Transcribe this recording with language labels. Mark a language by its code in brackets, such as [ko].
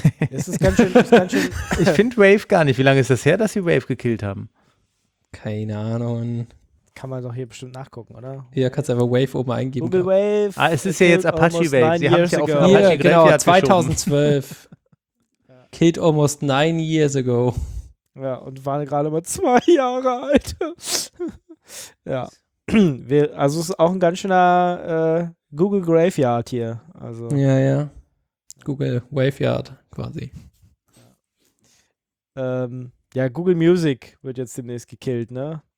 [de] Ist ganz schön. Ich finde Wave gar nicht. Wie lange ist das her, dass sie Wave gekillt haben? Keine Ahnung. Kann man doch hier bestimmt nachgucken, oder? Ja, kannst einfach Wave oben eingeben. Google Wave. Ah, es ist ja jetzt Apache Wave. Sie haben es ja auch auf Apache Grafia genau, 2012. [en] Killed almost 9 years ago. [de] Ja, und waren gerade mal 2 Jahre alt. Ja. Also es ist auch ein ganz schöner Google Graveyard hier. Also, ja, ja. Google Waveyard quasi. Ja, Google Music wird jetzt demnächst gekillt, ne?